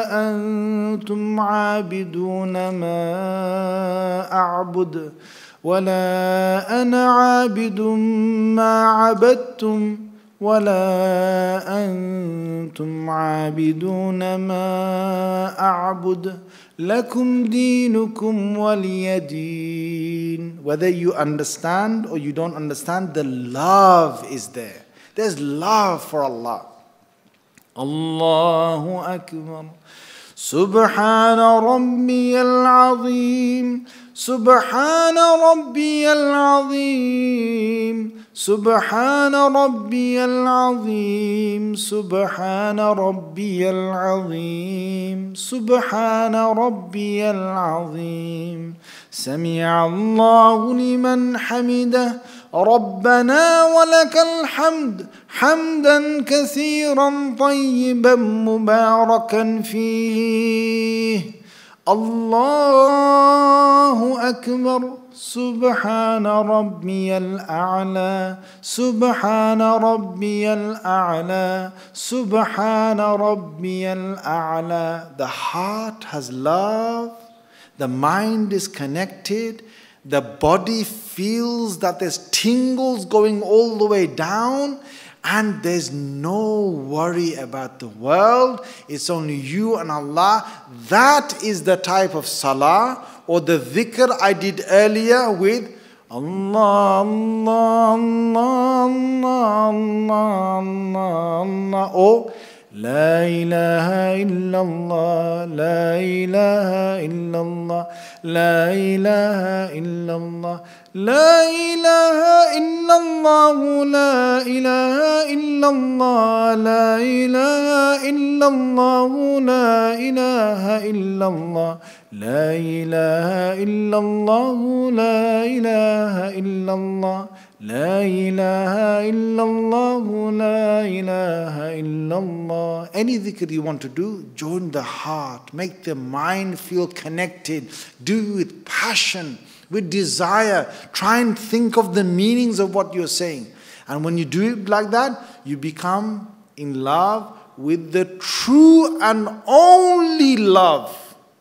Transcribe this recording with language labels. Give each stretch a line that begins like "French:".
Arabic: أنتم عابدون ما أعبد ولا أنا عابد ما عبدتم ولا أنتم عابدون ما أعبد لكم دينكم ولي دين
English: Whether you understand or you don't understand, the love is there. There's love for Allah.
Arabic: Allahu Akbar. Subhana Rabbiyal Azim. Subhana Rabbiyal Azim. Subhana Rabbiyal Azim. Subhana Rabbiyal Azim. Subhana Rabbiyal Azim. Sami'a Allahu liman hamidah. ربنا ولك الحمد حمدا كثيرا طيبا مباركا فيه الله أكبر سبحان ربي الأعلى سبحان ربي الأعلى سبحان ربي الأعلى
English: The heart has love, the mind is connected, The body feels that there's tingles going all the way down and there's no worry about the world. It's only you and Allah. That is the type of salah or the dhikr I did earlier with
Arabic: Allah, Allah, Allah, Allah, Allah, Allah, Allah,
English: or
Arabic: لا إله إلا الله لا إله إلا الله لا إله إلا الله لا إله إلا الله لا إله إلا الله لا إله إلا الله لا إله إلا الله لا إله إلا الله لا إله إلا الله لا إله إلا الله لا إله إلا الله
English: Any dhikr you want to do, join the heart. Make the mind feel connected. Do it with passion, with desire. Try and think of the meanings of what you're saying. And when you do it like that, you become in love with the true and only love.